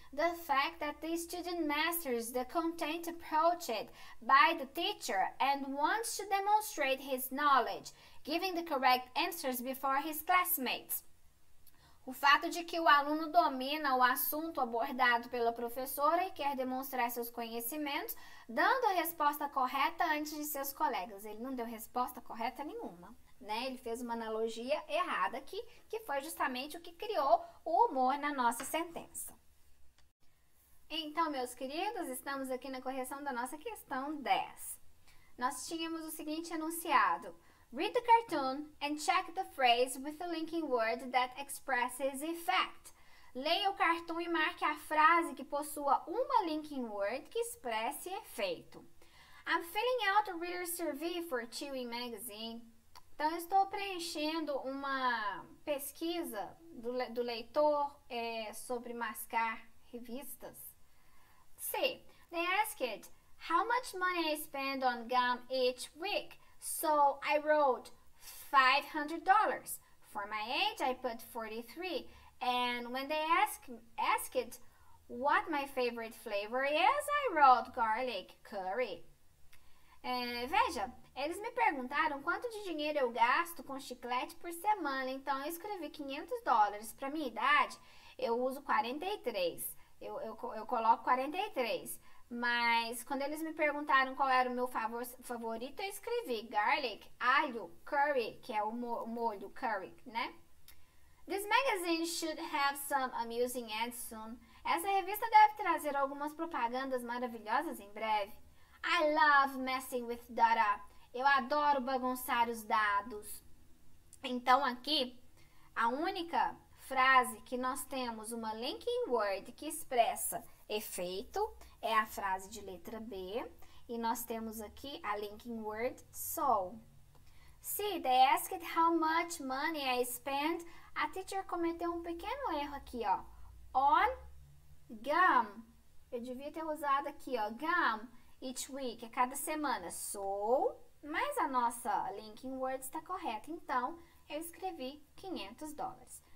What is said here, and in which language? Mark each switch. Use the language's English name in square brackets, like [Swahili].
[English] The fact that the student masters the content approached by the teacher and wants to demonstrate his knowledge, giving the correct answers before his classmates. [Portuguese] O fato de que o aluno domina o assunto abordado pela professora e quer demonstrar seus conhecimentos, dando a resposta correta antes de seus colegas. Ele não deu resposta correta nenhuma, né? Ele fez uma analogia errada aqui, que foi justamente o que criou o humor na nossa sentença. Então, meus queridos, estamos aqui na correção da nossa questão 10. Nós tínhamos o seguinte enunciado. [English] Read the cartoon and check the phrase with the linking word that expresses effect. [Portuguese] Leia o cartoon e marque a frase que possua uma linking word que expresse efeito. [English] I'm filling out a reader survey for Chewing Magazine. [Portuguese] Então, eu estou preenchendo uma pesquisa do leitor sobre mascar revistas. C. [English] They asked, how much money I spend on gum each week? So I wrote $500. For my age, I put 43. And when they asked what my favorite flavor is, I wrote garlic curry. [Portuguese] Veja, eles me perguntaram quanto de dinheiro eu gasto com chiclete por semana. Então eu escrevi 500 dólares. Para minha idade, eu uso 43. Eu coloco 43. Mas quando eles me perguntaram qual era o meu favorito, eu escrevi garlic, alho, curry, que é o molho curry, né? [English] This magazine should have some amusing ads soon. [Portuguese] Essa revista deve trazer algumas propagandas maravilhosas em breve. [English] I love messing with data. [Portuguese] Eu adoro bagunçar os dados. Então aqui, a única frase que nós temos uma linking word que expressa efeito é a frase de letra B e nós temos aqui a linking word so. [English] C, they asked how much money I spend. [Portuguese] A teacher cometeu um pequeno erro aqui, ó. [English] On gum. [Portuguese] Eu devia ter usado aqui, ó, [English] gum each week, [Portuguese] a cada semana. So, mas a nossa linking word está correta, então eu escrevi 500 dólares.